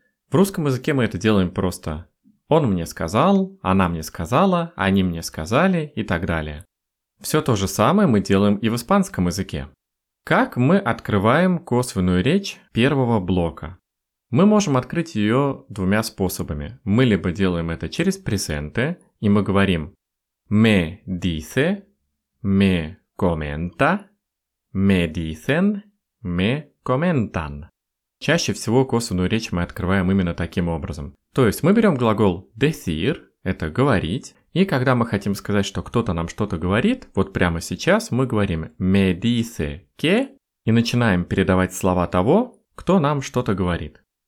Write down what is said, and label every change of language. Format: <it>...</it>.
<ru>В русском языке мы это делаем просто «он мне сказал», «она мне сказала», «они мне сказали» и так далее. Все то же самое мы делаем и в испанском языке. Как мы открываем косвенную речь первого блока? Мы можем открыть ее двумя способами. Мы либо делаем это через presente, и мы говорим</ru> <es>«me dice», «me comenta», «me dicen», «me comentan».</es> <ru>Чаще всего косвенную речь мы открываем именно таким образом. То есть мы берем глагол «decir», это «говорить», и когда мы хотим сказать, что кто-то нам что-то говорит, вот прямо сейчас мы говорим</ru> <es>«me dice que»</es> <ru>и начинаем передавать слова того, кто нам что-то говорит.</ru>